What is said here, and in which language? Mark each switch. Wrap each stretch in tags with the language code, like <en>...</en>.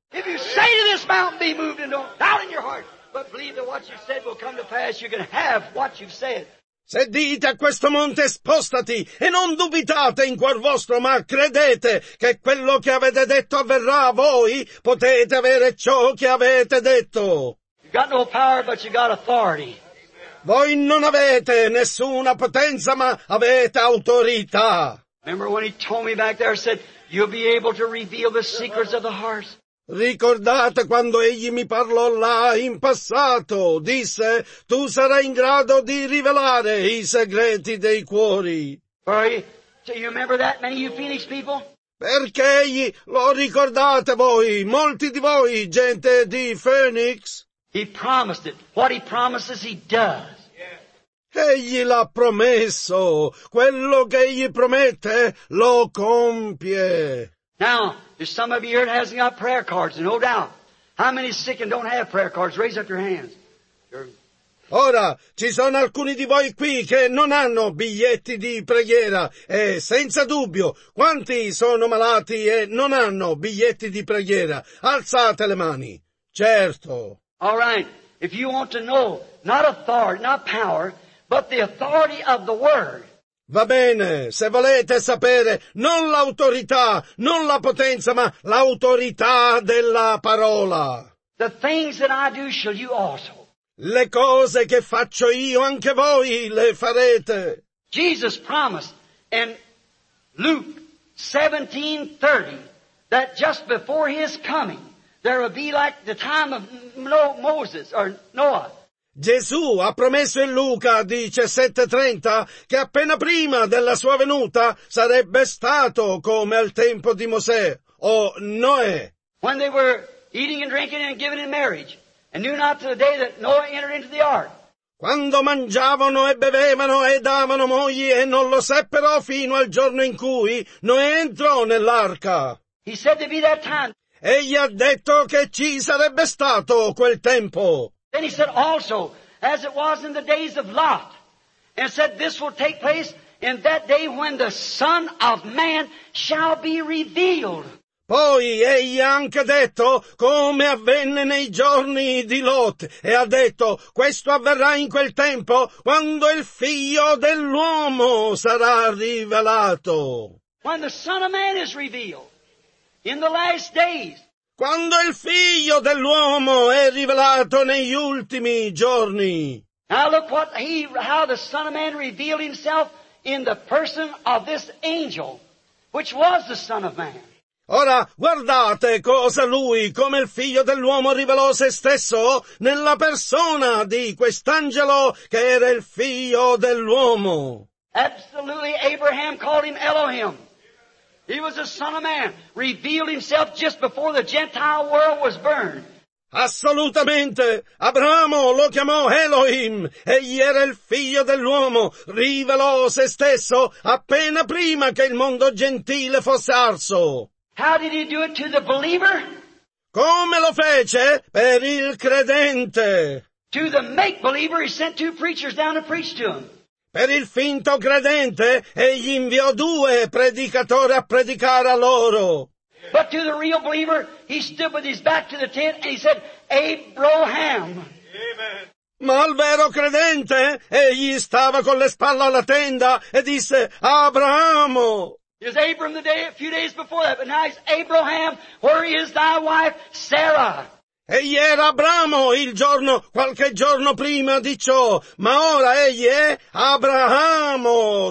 <en>If you say to this mountain, be moved and don't doubt in your heart, but believe that what you said will come to pass, you can have what you've said.</en> <it>Se dite a questo monte spostati e non dubitate in cuor vostro, ma credete che quello che avete detto avverrà a voi, potete avere ciò che avete detto.</it> <en>You got no power, but you got authority.</en> <it>Voi non avete nessuna potenza, ma avete autorità.</it> <en>Remember when he told me back there, said, you'll be able to reveal the secrets of the heart.</en> <it>Ricordate quando egli mi parlò là in passato, disse, tu sarai in grado di rivelare i segreti dei cuori.</it> <en>Do you remember that, many of you Phoenix people?</en> <it>Perché egli, lo ricordate voi, molti di voi, gente di Phoenix?</it> <en>He promised it. What he promises, he does.</en> <it>Egli l'ha promesso. Quello che egli promette, lo compie.</it> <en>Now, there's some of you here that hasn't got prayer cards, no doubt. How many sick and don't have prayer cards? Raise up your hands.</en> <it>Ora, ci sono alcuni di voi qui che non hanno biglietti di preghiera. E senza dubbio, quanti sono malati e non hanno biglietti di preghiera? Alzate le mani. Certo.</it> <en>All right. If you want to know, not authority, not power, but the authority of the word.</en> <it>Va bene, se volete sapere, non l'autorità, non la potenza, ma l'autorità della parola.</it> <en>The things that I do shall you also.</en> <it>Le cose che faccio io, anche voi le farete.</it> <en>Jesus promised in Luke 17:30 that just before his coming, there will be like the time of Moses or Noah.</en> <it>Gesù ha promesso in Luca 17:30 che appena prima della sua venuta sarebbe stato come al tempo di Mosè o Noè.</it> <en>When they were eating and drinking and giving in marriage and knew not to the day that Noah entered into the ark.</en> <it>Quando mangiavano e bevevano e davano mogli e non lo seppero fino al giorno in cui Noè entrò nell'arca.</it> <en>He said there'd be that time.</en> <it>Egli ha detto che ci sarebbe stato quel tempo.</it> <en>Then he said also, as it was in the days of Lot, and said this will take place in that day when the Son of Man shall be revealed.</en> <it>Poi egli ha anche detto come avvenne nei giorni di Lot, e ha detto questo avverrà in quel tempo quando il Figlio dell'uomo sarà rivelato.</it> <en>When the Son of Man is revealed, in the last days,</en> <it>quando il Figlio dell'uomo è rivelato negli ultimi giorni.</it> <en>Now look what how the Son of Man revealed himself in the person of this angel, which was the Son of Man.</en> <it>Ora guardate cosa lui, come il Figlio dell'uomo rivelò se stesso nella persona di quest'angelo che era il Figlio dell'uomo.</it> <en>Absolutely, Abraham called him Elohim. He was the Son of Man, revealed himself just before the Gentile world was burned.</en> <it>Assolutamente, Abramo lo chiamò Elohim. Egli era il Figlio dell'uomo, rivelò se stesso appena prima che il mondo gentile fosse arso.</it> <en>How did he do it to the believer?</en> <it>Come lo fece? Per il credente.</it> <en>To the make-believer, he sent two preachers down to preach to him.</en> <it>Per il finto credente, egli inviò due predicatori a predicare a loro.</it> <en>But to the real believer, he stood with his back to the tent and he said, Abraham.</en> <it>Ma al vero credente, egli stava con le spalle alla tenda e disse, Abramo.</it> <en>He was Abram the day, a few days before that, but now he's Abraham, where is thy wife, Sarah?</en> <it>Egli era Abramo il giorno, qualche giorno prima di ciò, ma ora egli è Abramo.</it>